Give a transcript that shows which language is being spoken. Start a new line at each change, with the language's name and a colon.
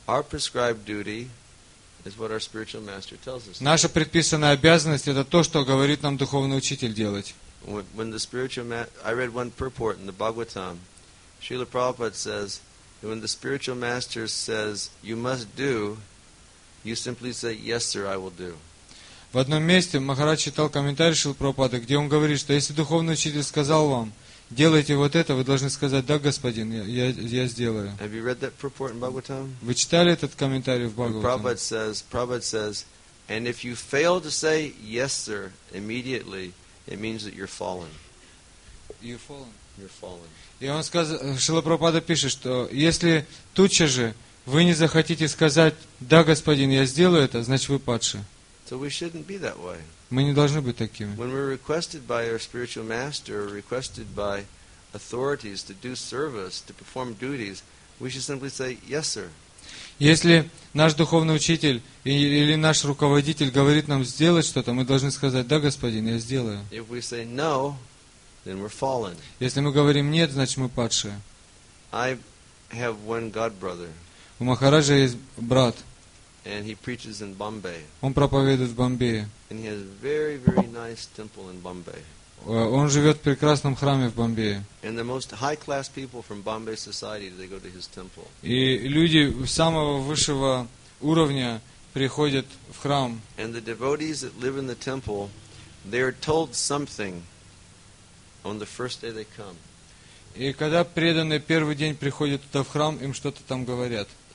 English: Our prescribed duty is what our spiritual master tells us.
Russian: Наша предписанная обязанность — это то, что говорит нам духовный учитель делать.
English: When the spiritual master, I read one purport in the Bhagavatam. Srila Prabhupada says, when the spiritual master says you must do, you simply say, yes, sir, I will do.
Russian: В одном месте Махарадж читал комментарий Шрилы Прабхупады, где он говорит, что если духовный учитель сказал вам, делайте вот это, вы должны сказать, да, господин, я сделаю.
English: Have you read that purport in Bhagavatam?
Russian: Вы читали этот комментарий в Бхагаватам?
English: Prabhupada says, and if you fail to say yes, sir, immediately, it means that you're fallen. You're fallen. You're fallen.
Russian: И он сказал, Шрила Прабхупада пишет, что если туча же вы не захотите сказать, да, господин, я сделаю это, значит, вы падши.
English: So we shouldn't be that way.
Russian: Мы не должны быть такими.
English: When we're requested by our spiritual master, or requested by authorities to do service, to perform duties, we should simply say, yes, sir.
Russian: Если наш духовный учитель или наш руководитель говорит нам сделать что-то, мы должны сказать, да, господин, я сделаю.
English: If we say no, then we're fallen.
Russian: Если мы говорим нет, значит, мы падши.
English: I have one God brother.
Russian: У Махараджа есть брат.
English: And he preaches in Bombay.
Russian: Он проповедует в Бомбее.
English: And he has very, very nice temple in Bombay.
Russian: Он живет в прекрасном храме в Бомбее.
English: And the most high-class people from Bombay society, they go to his temple.
Russian: И люди самого высшего уровня приходят в храм.
English: And the devotees that live in the temple, they are told something on the first day they come.
Russian: И когда преданные первый день приходят туда в храм, им что-то там говорят.